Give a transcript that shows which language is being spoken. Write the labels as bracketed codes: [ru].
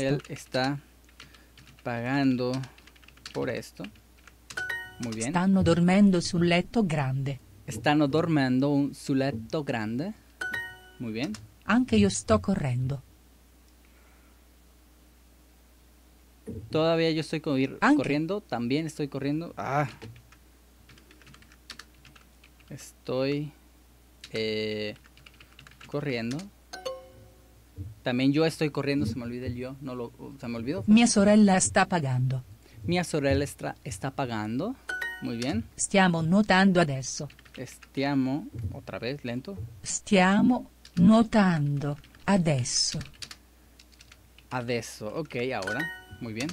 [es] Él está pagando por esto. Muy bien. [it] Stanno dormendo sul letto grande. Stanno dormendo sul letto grande. [es] Muy bien. [it] Anche io sto correndo. [es] Todavía yo estoy corriendo. También estoy corriendo. Ah. Estoy corriendo. También yo estoy corriendo. Se me olvidó el yo. No lo, se me olvidó. [it] Mia sorella sta pagando. Mia sorella sta pagando. [es] Muy bien. [it] Stiamo nuotando adesso. [es] Stiamo, otra vez, lento. [it] Stiamo nuotando adesso. [es] Adesso, ok, ahora. Muy bien.